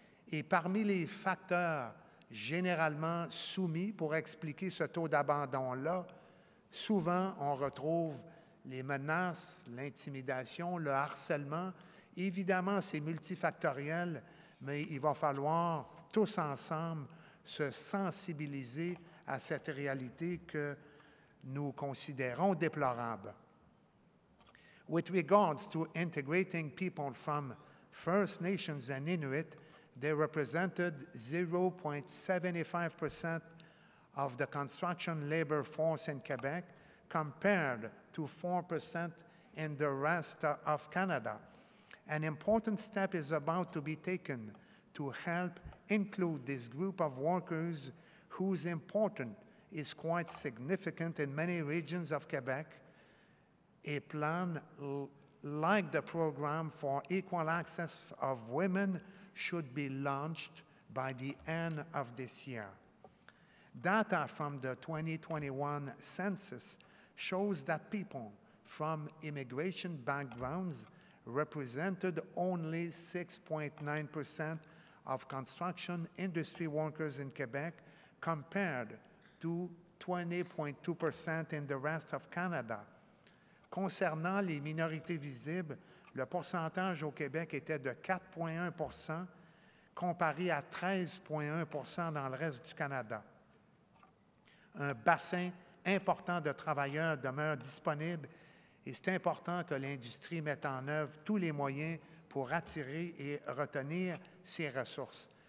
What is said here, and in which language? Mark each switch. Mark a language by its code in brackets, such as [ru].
[fr] Et parmi les facteurs généralement soumis pour expliquer ce taux d'abandon-là, souvent on retrouve les menaces, l'intimidation, le harcèlement. Évidemment, c'est multifactoriel, mais il va falloir tous ensemble se sensibiliser à cette réalité que nous considérons déplorable. [en] With regards to integrating people from First Nations and Inuit, they represented 0.75% of the construction labor force in Quebec, compared to 4% in the rest of Canada. An important step is about to be taken to help include this group of workers whose importance is quite significant in many regions of Quebec. A plan like the Program for Equal Access of Women should be launched by the end of this year. Data from the 2021 census shows that people from immigration backgrounds represented only 6.9% of construction industry workers in Quebec, compared to 20.2% in the rest of Canada. [fr] Concernant les minorités visibles, le pourcentage au Québec était de 4,1 % comparé à 13,1 % dans le reste du Canada. Un bassin important de travailleurs demeure disponible et c'est important que l'industrie mette en œuvre tous les moyens pour attirer et retenir ces ressources.